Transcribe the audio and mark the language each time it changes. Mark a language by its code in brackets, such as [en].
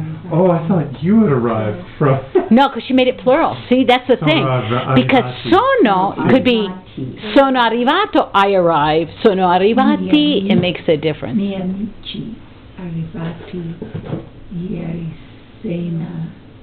[en] Oh, I thought you had arrived from... No, because she made it plural. See, that's the thing. Because sono could be sono arrivato, I arrive. [it] Sono arrivati, [en] it makes a difference. [it] Mi amici arrivati ieri sera.